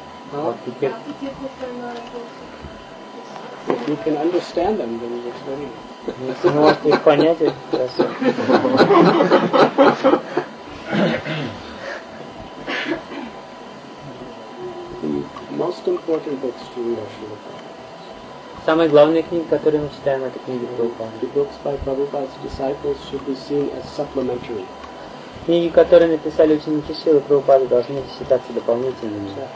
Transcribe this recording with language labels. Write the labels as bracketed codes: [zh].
[en] If you can understand them, then it's very nice. [ru] Если вы можете их понять, это хорошо. Самые главные книги, которые мы читаем, это книги Прабхупады. [en] The books by Prabhupada's disciples should be seen as supplementary. [ru] Книги, которые написали ученики Шрилы Прабхупады, должны считаться дополнительными.